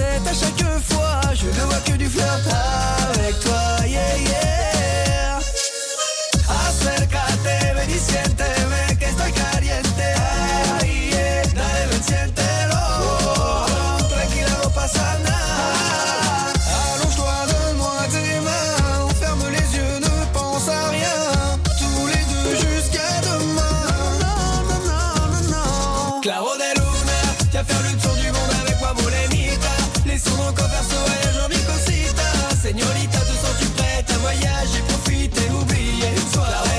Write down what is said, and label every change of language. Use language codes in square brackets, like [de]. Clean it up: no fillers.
[fr] À chaque fois, je ne vois que du flirt avec toi, yeah, yeah. [es] Acércate, ven y siénteme, que estoy caliente, ay, yeah. Dale, ven, siéntelo, tranquila, no pasa nada. [fr] Allonge-toi, donne-moi tes mains, ferme les yeux, ne pense à rien, tous les deux jusqu'à demain. Non. [es] Claro de luna, [fr] viens faire le tour du monde avec moi, Bolémi. Laissons mon corps faire ce voyage en micosita. Señorita, te sens-tu prête à voyager, profiter, oublier une soirée.